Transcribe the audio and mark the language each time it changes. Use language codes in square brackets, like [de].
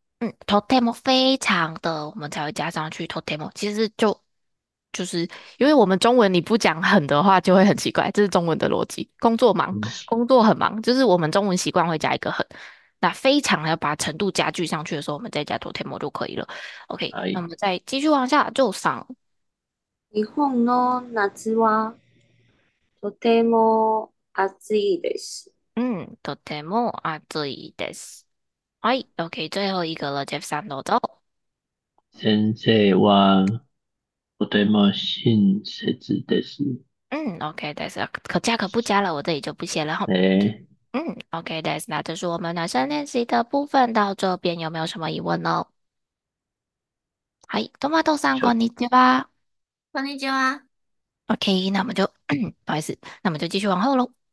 [zh] 嗯，とても非常的，我们才会加上去。とても，其实就是因为我们中文你不讲很的话就会很奇怪，这是中文的逻辑。工作忙，工作很忙，就是我们中文习惯会加一个很。那非常要把程度加剧上去的时候，我们再加とても就可以了。OK，那我们再继续往下就上。 [ja] 日本の夏はとても暑いです。とても暑いです。はい、OK、 [zh] 最後一個了、 [ja] ジェフさんどうぞ。先生はとても親切です。 [zh] OK，但是可加可不加了，我这里就不写了哈。哎， OK，但是那这是我们暖身练习的部分，到这边有没有什么疑问呢？ [ja] はい、トマトさん、こんにちは。こんにちは。 [zh] OK，那我们就 不好意思，那我们就继续往后喽。